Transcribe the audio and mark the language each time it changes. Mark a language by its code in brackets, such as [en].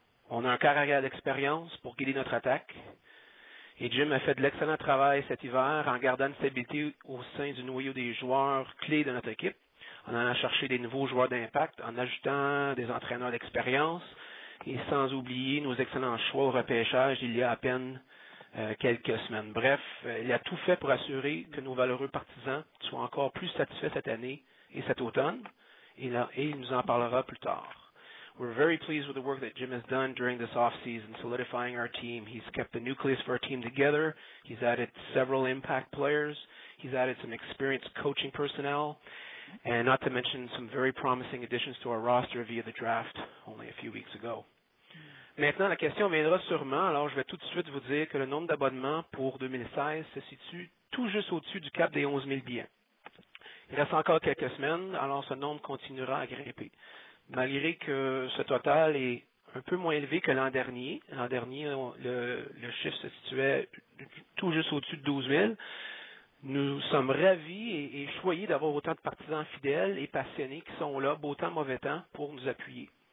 [fr] On a un carrière d'expérience pour guider notre attaque. Et Jim a fait de l'excellent travail cet hiver en gardant une stabilité au sein du noyau des joueurs clés de notre équipe, en allant chercher des nouveaux joueurs d'impact, en ajoutant des entraîneurs d'expérience et sans oublier nos excellents choix au repêchage il y a à peine quelques semaines. Bref, il a tout fait pour assurer que nos valeureux partisans soient encore plus satisfaits cette année et cet automne et il nous en parlera plus tard. [en] We're very pleased with the work that Jim has done during this off-season, solidifying our team. He's kept the nucleus of our team together. He's added several impact players. He's added some experienced coaching personnel. And not to mention some very promising additions to our roster via the draft only a few weeks ago. [fr] Maintenant, la question viendra sûrement, alors je vais tout de suite vous dire que le nombre d'abonnements pour 2016 se situe tout juste au-dessus du cap des 11 000 billets. Il reste encore quelques semaines, alors ce nombre continuera à grimper. Malgré que ce total est un peu moins élevé que l'an dernier, le chiffre se situait tout juste au-dessus de 12 000, nous sommes ravis et choyés d'avoir autant de partisans fidèles et passionnés qui sont là, beau temps, mauvais temps, pour nous appuyer.